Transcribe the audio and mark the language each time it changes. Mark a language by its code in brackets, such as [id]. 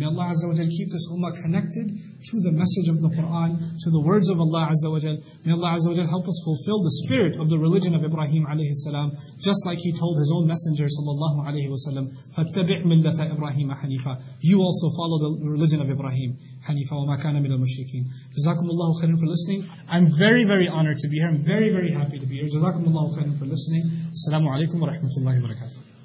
[en] May Allah Azza wa Jalla keep this ummah connected to the message of the Quran, to the words of Allah Azza wa Jalla. May Allah Azza wa Jalla help us fulfill the spirit of the religion of Ibrahim alayhi salam, just like He told His own messenger sallallahu alayhi wa sallam, [ar] فَاتَّبِعْ مِلَّةَ إِبْرَاهِيمَ حَنِيفًا. [en] You also follow the religion of Ibrahim. [ar] حنيفة وما كان من المشركين. جزاكم الله خيرا [en] for listening. I'm very very honored to be here. I'm very very happy to be here. [ar] جزاكم الله خيرا [en] for listening. [ar] السلام عليكم ورحمة الله وبركاته.